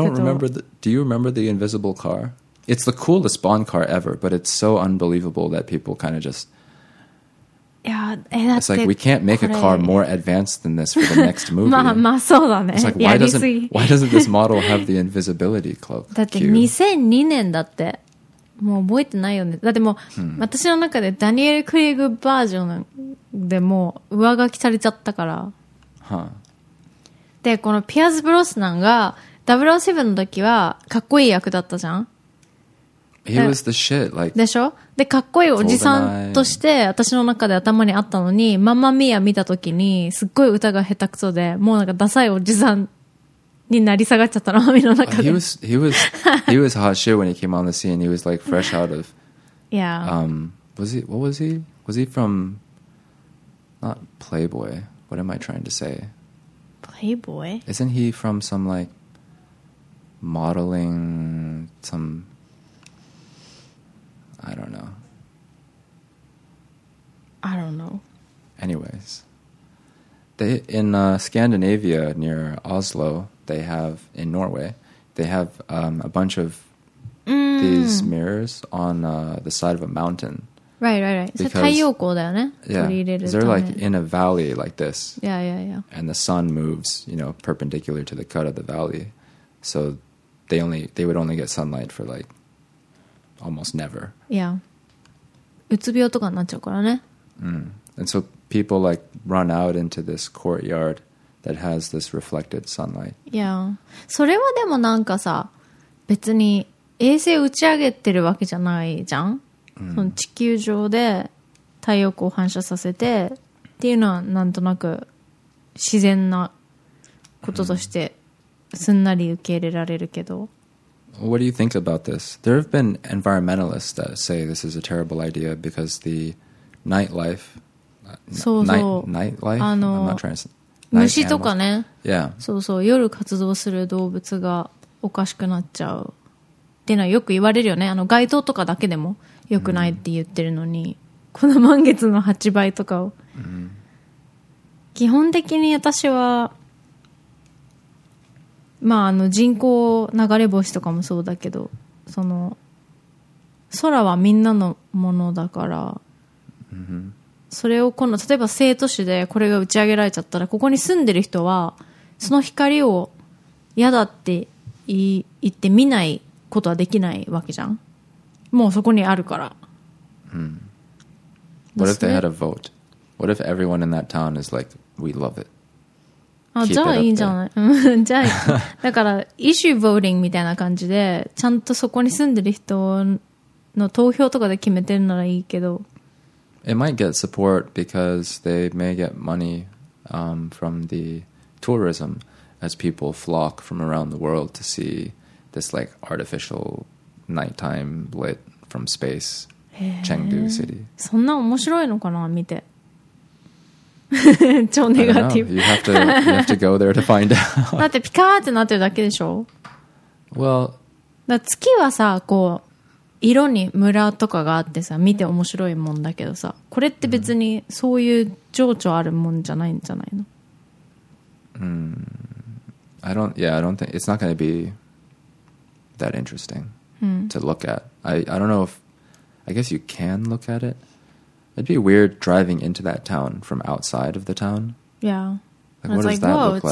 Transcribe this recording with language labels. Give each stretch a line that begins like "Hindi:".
English: You don't remember do you remember the invisible car? It's the coolest Bond car ever, but it's so unbelievable that people kind of just... Yeah, it's like, we can't make a car more advanced than this for the next movie.
Japanese: まあそうだね。
English: It's like, why doesn't this model have the invisibility cloak?
Japanese: だって2002年だって。もう覚えてないよね。だってもう、私の中でダニエル・クレイグバージョンでもう上書きされちゃったから。はあ。で、このピアーズ・ブロスナンが007の時はかっこいい役だったじゃん。
English: He was the shit, like,
Japanese: でしょ? で、かっこいいおじさんとして私の中で頭にあったのに、ママミア見た時にすっごい歌が下手くそで、もうなんかダサいおじさんになり下がっちゃったの、海の中で。
English: He was hot shit when he came on the scene. He was like fresh out of... Yeah. What was he? Was he from... Not Playboy. What am I trying to say? Playboy? Isn't he from some like... Modeling... Some... I don't know. I don't know. Anyways. In Scandinavia, near Oslo, they have, in Norway, they have a bunch of these mirrors on the side of a mountain. Right. Because, yeah, they're like in a valley like this. Yeah. And the sun moves, you know, perpendicular to the cut of the valley. So they would only get sunlight for like...almost never. Yeah.
Japanese: うつ病とかになっちゃうからね。
English: And so people like run out into this courtyard that has this reflected sunlight. Yeah.
Japanese: それはでもなんかさ、別に衛星打ち上げてるわけじゃないじゃん。その地球上で太陽光を反射させてっていうのはなんとなく自然なこととしてすんなり受け入れられるけど。
English: What do you think about this? There have been environmentalists that say this is a terrible idea because the nightlife, nightlife, night
Japanese: 虫とかね。
English: Yeah.
Japanese: そうそう、夜活動する動物がおかしくなっちゃうっていうのはよく言われるよね。あの街灯とかだけでも良くないって言ってるのに、この満月の8倍とかを。基本的に私は、まあ、あの人口流れ星とかもそうだけど、その空はみんなのものだから、それを今度例えば生徒市でこれが打ち上げられちゃったら、ここに住んでる人はその光を嫌だって言って見ないことはできないわけじゃん。もうそこにあるから。
English: What if they had a vote? What if everyone in that town is like, we love it?
Japanese: あ、じゃあいいんじゃない。じゃあ、だから、イシューボーディングみたいな感じで、ちゃんとそこに住んでる人の投票とかで決めてるならいいけど。
English: It might get support because they may get money、from the tourism as people flock from around the world to see this like artificial nighttime lit from space, Chengdu City.
Japanese: そんな面白いのかな、見て。超ネガティブ。
English: You have to go there to find out.
Japanese: だってピカーってなってるだけでしょ。
English: Well,
Japanese: だ月はさ、こう色にムラとかがあってさ、見て面白いもんだけどさ、これって別にそういう情緒あるもんじゃないんじゃないの。
English: I don't think it's not going to be that interesting to look at. I don't know if I guess you can look at it. It'd be weird driving into that town from outside of the town. Yeah. Like, what does that look like?